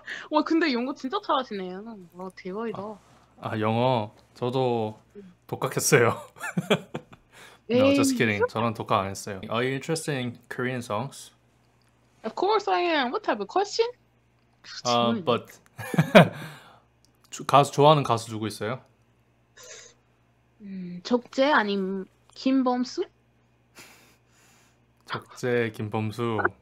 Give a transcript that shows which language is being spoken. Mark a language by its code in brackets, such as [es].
[ko] 와, 근데 영어 진짜 잘하시네요. 와, 대박이다. 아, 영어 저도 독학했어요. [en] No, just kidding. [ko] 저는 독학 안 했어요. [en] Are you interested in Korean songs? Of course I am. What type of question? [ko] But 가수 좋아하는 가수 누구 있어요? 적재 아님 김범수? 적재 김범수.